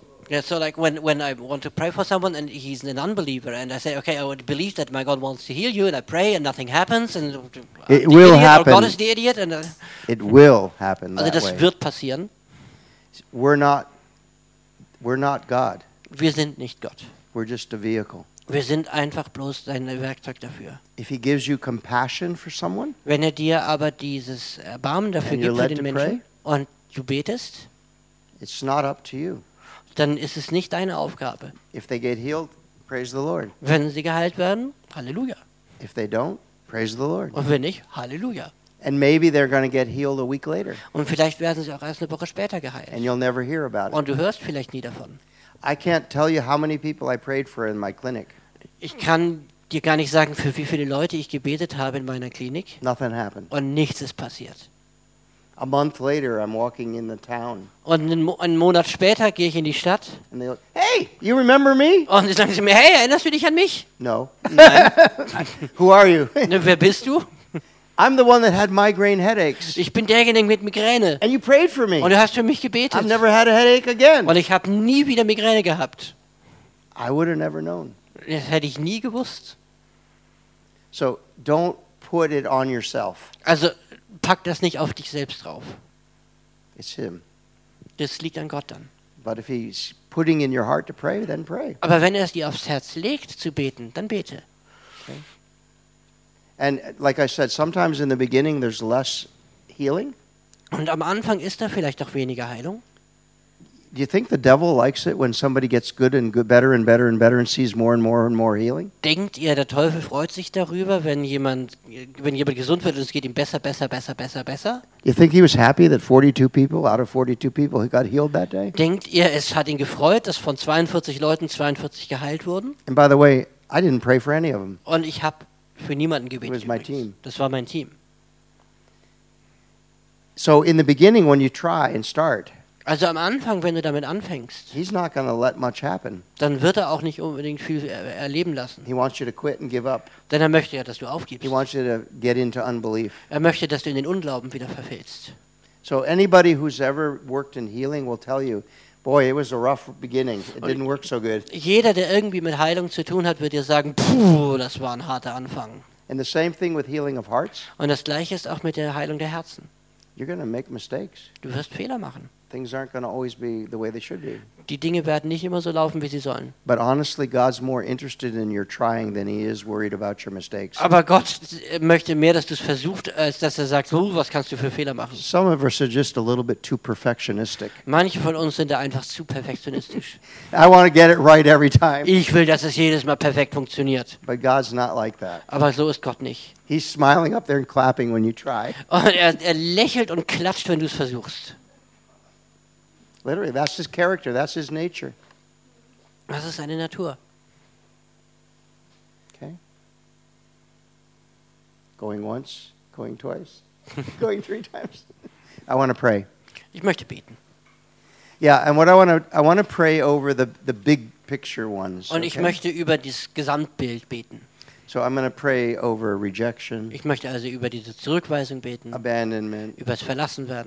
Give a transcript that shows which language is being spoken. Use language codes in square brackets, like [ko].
[en] Yeah, so like when I want to pray for someone and he's an unbeliever and I say, okay, I would believe that my God wants to heal you and I pray and nothing happens and it will happen. God is the idiot and it will happen. [de] Also das wird passieren. [en] We're not God. [de] Wir sind nicht Gott. [en] We're just a vehicle. [de] Wir sind einfach bloß ein Werkzeug dafür. [en] If he gives you compassion for someone, [de] wenn er dir aber dieses Erbarmen dafür gibt für den Menschen und du betest, [en] it's not up to you. [de] Dann ist es nicht deine Aufgabe. [en] If they get healed, praise the Lord. [de] Wenn sie geheilt werden, Halleluja. [en] If they don't, praise the Lord. [de] Und wenn nicht, Halleluja. [en] And maybe they're going to get healed a week later. [de] Und vielleicht werden sie auch erst eine Woche später geheilt. [en] And you'll never hear about it. [de] Und du hörst vielleicht nie davon. [en] I can't tell you how many people I prayed for in my clinic. [de] Ich kann dir gar nicht sagen, für wie viele Leute ich gebetet habe in meiner Klinik. [en] Nothing happened. [de] Und nichts ist passiert. [en] A month later, I'm walking in the town. [de] Und einen Monat später gehe ich in die Stadt. [en] And they go, hey, you remember me? [de] Und sie sagen zu mir, hey, erinnerst du dich an mich? [en] No. [de] Nein. [en] Who are you? [de] Wer bist du? [en] I'm the one that had migraine headaches. [de] Ich bin derjenige mit Migräne. [en] And you prayed for me. [de] Und du hast für mich gebetet. [en] I've never had a headache again. [de] Und ich habe nie wieder Migräne gehabt. [en] I would have never known. [de] Das hätte ich nie gewusst. [en] So, don't put it on yourself. [de] Also, pack das nicht auf dich selbst drauf. [en] It's him. [de] Das liegt an Gott dann. [en] But if he's putting in your heart to pray, then pray. [de] Aber wenn er es dir aufs Herz legt zu beten, dann bete. [en] Okay. And like I said, sometimes in the beginning there's less healing. [de] Und am Anfang ist da vielleicht auch weniger Heilung. [en] Do you think the devil likes it when somebody gets good and good, better and better and better and sees more and more and more healing? [de] Denkt ihr, der Teufel freut sich darüber, wenn jemand gesund wird und es geht ihm besser, besser, besser, besser, besser? [en] You think he was happy that 42 people out of 42 people got healed that day? [de] Denkt ihr, es hat ihn gefreut, dass von 42 Leuten 42 geheilt wurden? [en] And by the way, I didn't pray for any of them. [de] Und ich habe für niemanden gebetet. [en] It was my team. [de] Das war mein Team. [en] So in the beginning, when you try and start. [de] Also am Anfang, wenn du damit anfängst, [en] he's not gonna let much happen. [de] Dann wird er auch nicht unbedingt viel erleben lassen. [en] He wants you to quit and give up. [de] Denn er möchte ja, dass du aufgibst. [en] He wants you to get into unbelief. [de] Er möchte, dass du in den Unglauben wieder verfällst. [en] So anybody who's ever worked in healing will tell you, boy, it was a rough beginning. It didn't work so good. [de] Jeder, der irgendwie mit Heilung zu tun hat, wird dir sagen, puh, das war ein harter Anfang. [en] And the same thing with healing of hearts. [de] Und das Gleiche ist auch mit der Heilung der Herzen. [en] You're gonna make mistakes. [de] Du wirst Fehler machen. [en] Things aren't going to always be the way they should be. [de] Die Dinge werden nicht immer so laufen, wie sie sollen. [en] But honestly, God's more interested in your trying than he is worried about your mistakes. [de] Aber Gott möchte mehr, dass du es versuchst, als dass er sagt, oh, was kannst du für Fehler machen? [en] Some of us are just a little bit too perfectionistic. [de] Manche von uns sind da einfach zu perfektionistisch. [en] I want to get it right every time. [de] Ich will, dass es jedes Mal perfekt funktioniert. [en] But God's not like that. [de] Aber so ist Gott nicht. [en] He's smiling up there and clapping when you try. [de] Und er lächelt und klatscht, wenn du es versuchst. [en] Literally, that's his character, that's his nature. [de] Das ist seine Natur. [en] Okay. Going once, going twice, going three times. I want to pray. [de] Ich möchte beten. [en] Yeah, and what I want to pray over the big picture ones. [de] Und ich möchte über das Gesamtbild beten. [en] So I'm going to pray over rejection. [de] Ich möchte also über diese Zurückweisung beten. [en] Abandonment. [de] Über das Verlassenwerden.